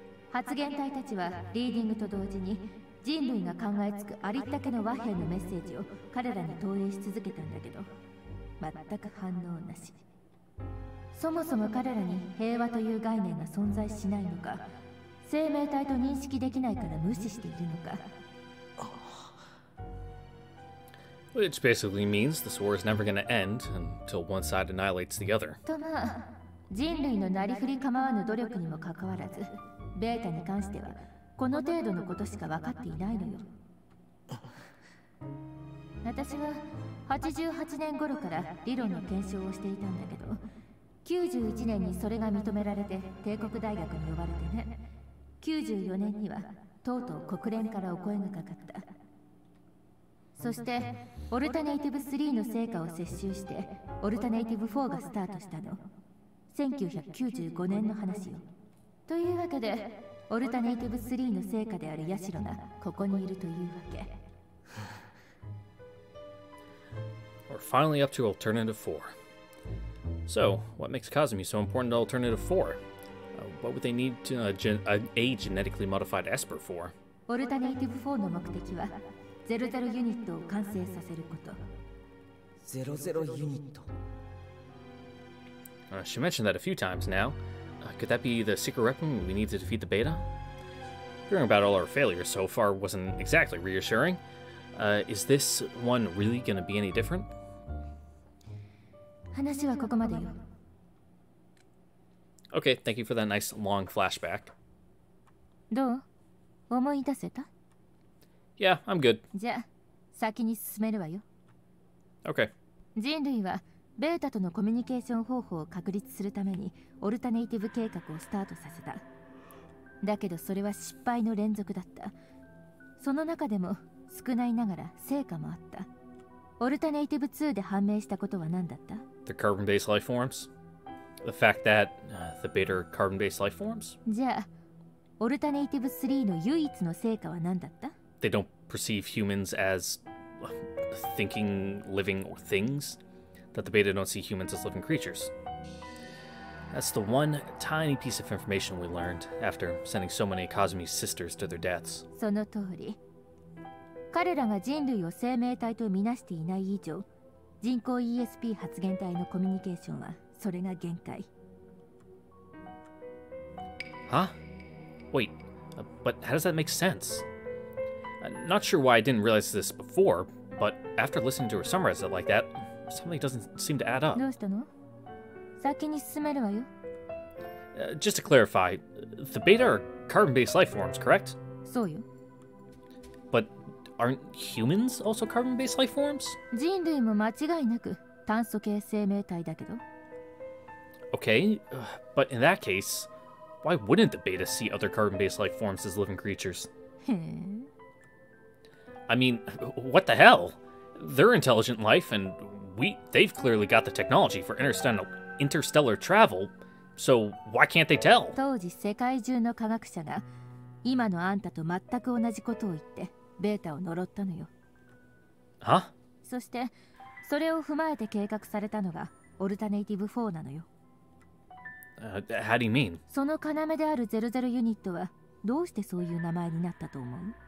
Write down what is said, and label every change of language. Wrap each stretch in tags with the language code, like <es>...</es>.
<ja>発言体たちはリーディングと同時に人類が考えつくありったけの和平のメッセージを彼らに投影し続けたんだけど、全く反応なし。そもそも彼らに平和という概念が存在しないのか、生命体と認識できないから無視しているのか。</ja> <en>Which basically means this war is never going to end until one side annihilates the other.</en> <ja>とまあ、人類のなりふり構わぬ努力にもかかわらず、ベータに関してはこの程度のことしか分かっていないのよ。私は88年頃から理論の検証をしていたんだけど、91年にそれが認められて帝国大学に呼ばれてね。 94年にはとうとう国連からお声がかかった。そしてオルタネイティブ3の成果を接収してオルタネイティブ4がスタートしたの。 1995年の話よ。というわけでオルタネイティブ3の成果であるヤシロがここにいるというわけ。</ja> <en>We're finally up to alternative 4. So, what makes Kazumi so important to alternative 4? What would they need to a genetically modified Esper for?</en> <ja>オルタネイティブ4の目的はゼロゼロユニットを完成させること。ゼロゼロユニット。</ja> <en>She mentioned that a few times now. Could that be the secret weapon we need to defeat the Beta? Hearing about all our failures so far wasn't exactly reassuring. Is this one really going to be any different?</en> <ja>話はここまでよ。</ja> <en>Okay, thank you for that nice long flashback.</en> <ja>どう？思い出せた？</ja> <en>Yeah, I'm good.</en> <ja>じゃあ、先に進めるわよ。</ja> <en>Okay.</en> <ja>人類は、ベータとのコミュニケーション方法を確立するために、オルタネイティブ計画をスタートさせた。だけど、それは失敗の連続だった。その中でも、少ないながら、成果もあった。オルタネイティブ2で判明したことは何だった？</ja> <en>The carbon-based life forms? The fact that, the beta are carbon-based life forms? じゃあ、オルタネイティブ3の唯一の成果は何だった？ They don't perceive humans as thinking, living or things. That the beta don't see humans as living creatures. That's the one tiny piece of information we learned after sending so many Kazumi's sisters to their deaths.</en> <ja>その通り。彼らが人類を生命体と見なしていない以上、人工 ESP 発言体のコミュニケーションはそれが限界。</ja> <en>Huh? Wait, but how does that make sense? Not sure why I didn't realize this before, but after listening to her summarize it like that, something doesn't seem to add up.</en> <ja>どうしたの？先に進めるわよ。</ja> <en>Just to clarify, the beta are carbon-based life forms, correct?</en> <ja>そうよ。</ja> <en>But aren't humans also carbon-based life forms?</en> <ja>人類も間違いなく炭素系生命体だけど。</ja> <en>Okay, but in that case, why wouldn't the beta see other carbon-based life forms as living creatures? I mean, what the hell? They're intelligent life, and they've clearly got the technology for interstellar travel, so why can't they tell?</en> <ja>当時世界中の科学者が今のあんたと全く同じことを言ってベータを呪ったのよ。は？そしてそれを踏まえて計画されたのがオルタネイティブ4なのよ。</ja> <en>How do you mean?</en> <ja>その要である00ユニットはどうしてそういう名前になったと思う？</ja>